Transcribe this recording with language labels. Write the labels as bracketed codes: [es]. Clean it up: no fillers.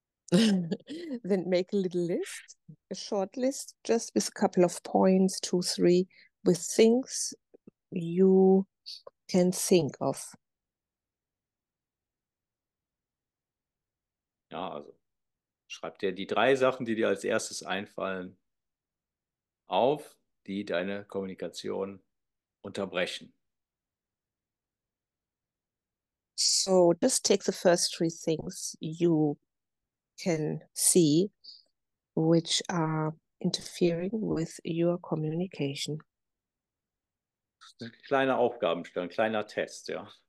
[en] Then make a little list, a short list, just with a couple of points, 2, 3, with things you can think of. [de] Ja, also schreib dir die drei Sachen, die dir als erstes einfallen, auf, die deine Kommunikation unterbrechen. [en] So, just take the first three things you can see, which are interfering with your communication. [de] Kleine Aufgabenstellung, kleiner Test, ja.